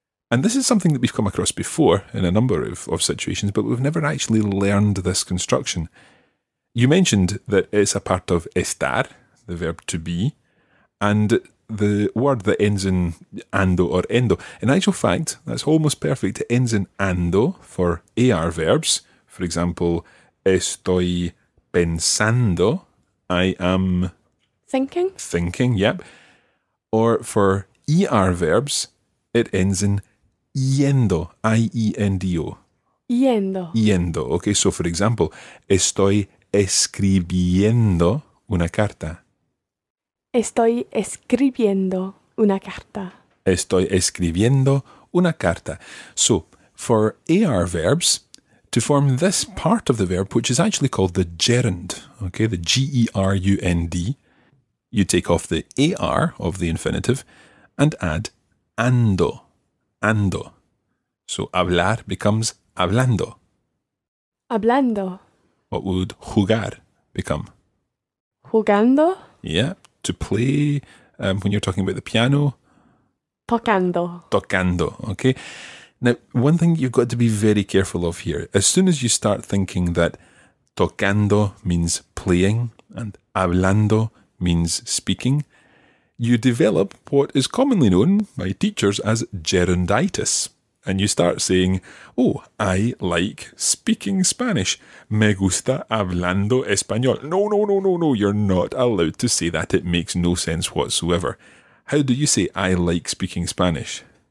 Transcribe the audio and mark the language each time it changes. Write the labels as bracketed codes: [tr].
[en] And this is something that we've come across before in a number of situations, but we've never actually learned this construction. You mentioned that it's a part of estar, the verb to be, and the word that ends in ando or endo. In actual fact, that's almost perfect. It ends in ando for AR verbs. For example, [es] estoy pensando. [en] I am... thinking. Thinking, yep. Or for ER verbs, it ends in yendo. I-E-N-D-O. [es] Yendo. Yendo. [en] Okay, so for example, [es] estoy escribiendo una carta. Estoy escribiendo una carta. Estoy escribiendo una carta. [en] So, for AR verbs, to form this part of the verb, which is actually called the gerund, okay, the G-E-R-U-N-D, you take off the AR of the infinitive and add ando, ando. So, hablar becomes hablando. [es] Hablando. [en] What would jugar become? [es] Jugando? [en] Yeah. To play, when you're talking about the piano? [es] Tocando. Tocando, okay. [en] Now, one thing you've got to be very careful of here, as soon as you start thinking that tocando means playing and hablando means speaking, you develop what is commonly known by teachers as gerunditis. And you start saying, oh, I like speaking Spanish. [es] Me gusta hablando español. [en] No, you're not allowed to say that. It makes no sense whatsoever. How do you say I like speaking Spanish?